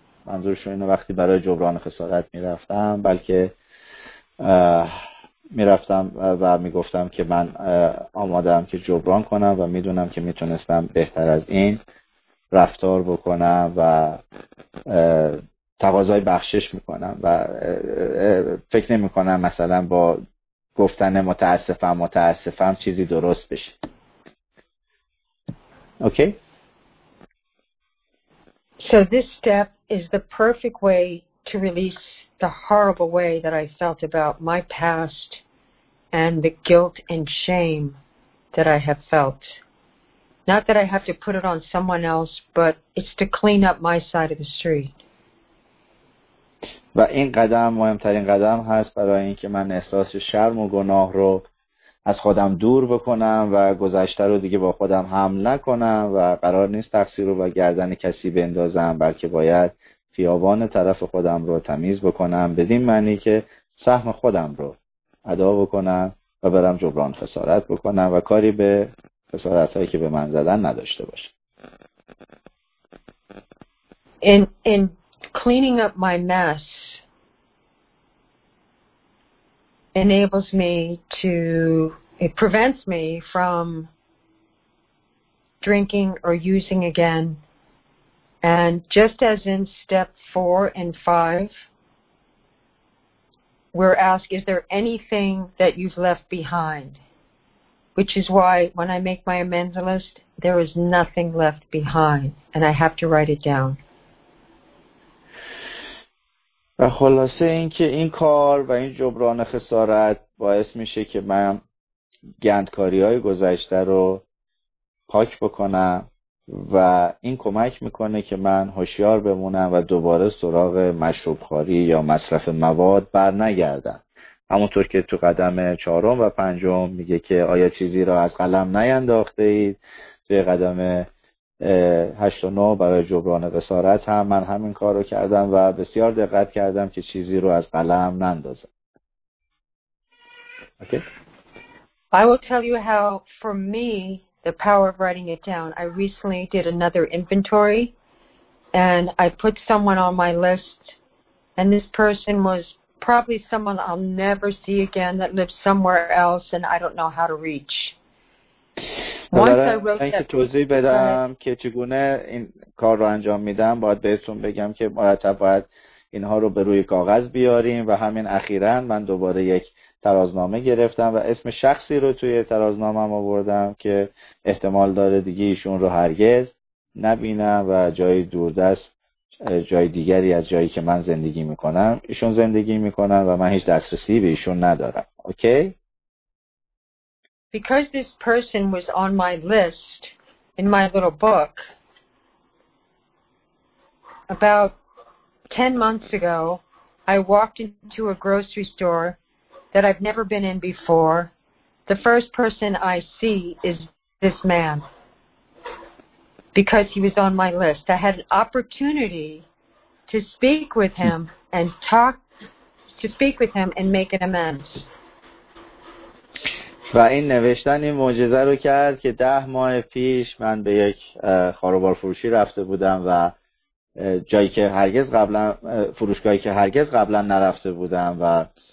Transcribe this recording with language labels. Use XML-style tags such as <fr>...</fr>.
<fa>منظورش اینه وقتی برای جبران خسارت میرفتم، بلکه میرفتم و میگفتم که من آمادم که جبران کنم و میدونم که میتونستم بهتر از این رفتار بکنم و تقاضای بخشش میکنم و فکر نمی کنم مثلا با گفتن متاسفم چیزی درست بشه.</fa> <en>Okay? So this step is the perfect way to release the horrible way that I felt about my past and the guilt and shame that I have felt. Not that I have to put it on someone else, but it's to clean up my side of the street.</en> <fa>و این قدم مهمترین قدم هست برای اینکه من احساس شرم و گناه رو از خودم دور بکنم و گذشته رو دیگه با خودم حمل نکنم و قرار نیست تقصیر رو با گردن کسی بندازم، بلکه باید خیابان طرف خودم رو تمیز بکنم بدین معنی که سهم خودم رو ادا بکنم و برم جبران خسارت بکنم و کاری به خسارت هایی که به من زدن نداشته باشم.</fa> <en>In cleaning up my mess enables me to, it prevents me from drinking or using again. And just as in step 4 and 5, we're asked, is there anything that you've left behind? Which is why when I make my amends list, there is nothing left behind, and I have to write it down.</en> <fa>و خلاصه این که این کار و این جبران خسارت باعث میشه که من گندکاری های گذشته رو پاک بکنم و این کمک میکنه که من هوشیار بمونم و دوباره سراغ مشروبخواری یا مصرف مواد بر نگردم. همونطور که تو قدم 4 و 5 میگه که آیا چیزی را از قلم نینداخته اید، توی قدم 8 و 9 برای جبران خسارت هم من همین کار رو کردم و بسیار دقت کردم که چیزی رو از قلم نندازم.</fa> <en>I will tell you how for me the power of writing it down. I recently did another inventory and I put someone on my list, and this person was probably someone I'll never see again that lives somewhere else and I don't know how to reach.</en> <fa>اینکه توضیح بدم که چگونه این کار رو انجام میدم، باید بهتون بگم که مرتب باید اینها رو به روی کاغذ بیاریم و همین اخیراً من دوباره یک ترازنامه گرفتم و اسم شخصی رو توی ترازنامم آوردم که احتمال داره دیگه ایشون رو هرگز نبینم و جای دوردست، جای دیگری از جایی که من زندگی میکنم ایشون زندگی میکنن و من هیچ دسترسی به ایشون ندارم.</fa> <en>Okay? Because this person was on my list in my little book about 10 months ago, I walked into a grocery store that I've never been in before. The first person I see is this man because he was on my list. I had an opportunity to speak with him and talk to speak with him and make an amends.</en> <fa>و این نوشتن این معجزه رو کرد که 10 ماه پیش من به یک خاروبار فروشی رفته بودم و جایی که هرگز قبلا، فروشگاهی که هرگز قبلا نرفته بودم و</fa>